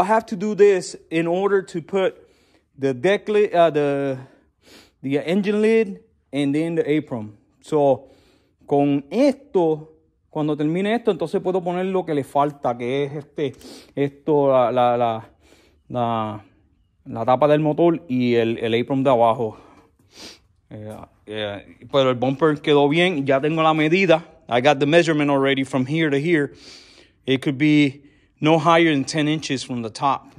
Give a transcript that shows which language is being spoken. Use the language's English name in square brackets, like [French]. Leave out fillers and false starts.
[English] I have to do this in order to put the deck lid, the engine lid, and then the apron. [Spanish] So con esto, cuando termine esto, entonces puedo poner lo que le falta, que es la tapa del motor y el apron de abajo. Yeah, pero el bumper quedó bien. Ya tengo la medida. [English] I got the measurement already from here to here. It could be no higher than 10 inches from the top.